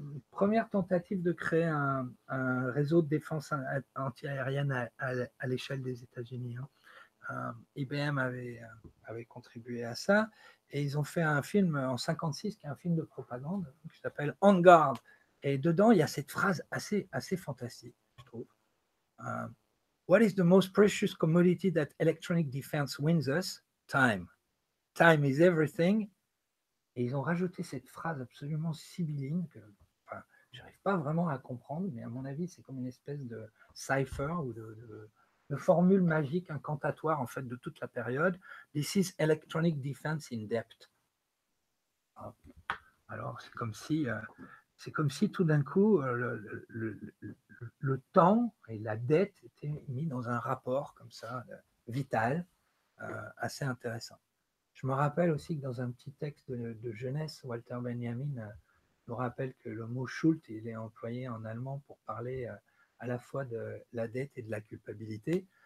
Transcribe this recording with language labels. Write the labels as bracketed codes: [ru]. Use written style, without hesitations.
[fr] Première tentative de créer un réseau de défense anti-aérienne à l'échelle des États-Unis. IBM avait contribué à ça et ils ont fait un film en 56 qui est un film de propagande qui s'appelle On Guard. Et dedans, il y a cette phrase assez fantastique, je trouve. [en] What is the most precious commodity that electronic defense wins us? Time. Time is everything. [fr] Et ils ont rajouté cette phrase absolument sibylline que enfin, je n'arrive pas vraiment à comprendre, mais à mon avis, c'est comme une espèce de cipher ou de formule magique incantatoire en fait de toute la période. [en] This is electronic defense in depth. [fr] Alors, c'est comme si tout d'un coup le temps et la dette étaient mis dans un rapport comme ça, vital, assez intéressant. Je me rappelle aussi que dans un petit texte de jeunesse, Walter Benjamin nous rappelle que le mot Schuld, il est employé en allemand pour parler à la fois de la dette et de la culpabilité.